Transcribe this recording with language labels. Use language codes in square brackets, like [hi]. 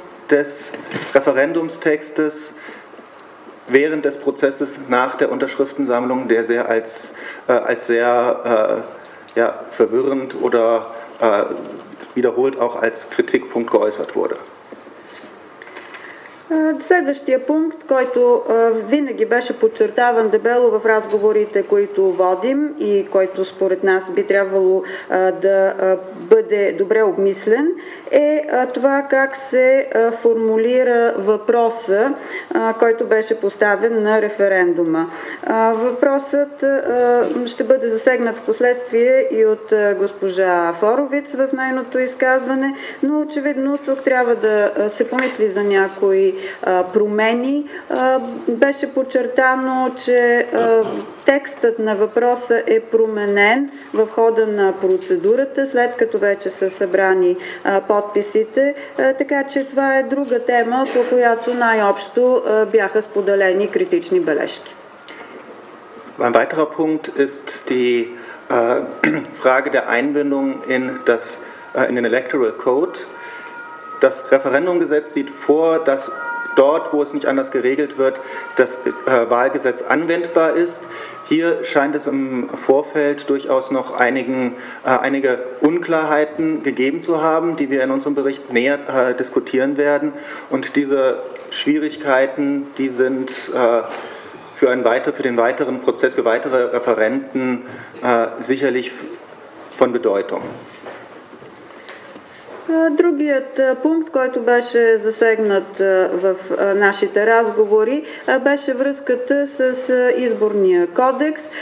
[de] des Referendumstextes während des Prozesses nach der Unterschriftensammlung, der sehr als sehr verwirrend oder wiederholt auch als Kritikpunkt geäußert wurde. [bg] Следващия пункт, който винаги беше подчертаван дебело в разговорите, които водим и който според нас би трябвало да бъде добре обмислен, е това как се формулира въпроса, който беше поставен на референдума. Въпросът ще бъде засегнат в последствие и от госпожа Форовиц в нейното изказване, но очевидно тук трябва да се помисли за някои промени. Беше подчертано, че текстът на въпроса е променен в хода на процедурата, след като вече са събрани подписите. Така че това е друга тема, по която най-общо бяха споделени критични бележки. [de] Ein weiterer Punkt ist die Frage der Einbindung in den Electoral Code. Das Referendumgesetz sieht vor, dass dort, wo es nicht anders geregelt wird, das Wahlgesetz anwendbar ist. Hier scheint es im Vorfeld durchaus noch einige Unklarheiten gegeben zu haben, die wir in unserem Bericht näher diskutieren werden. Und diese Schwierigkeiten, die sind für den weiteren Prozess, für weitere Referenden sicherlich von Bedeutung. [bg] Другият пункт, който беше засегнат в нашите разговори, беше връзката с изборния кодекс.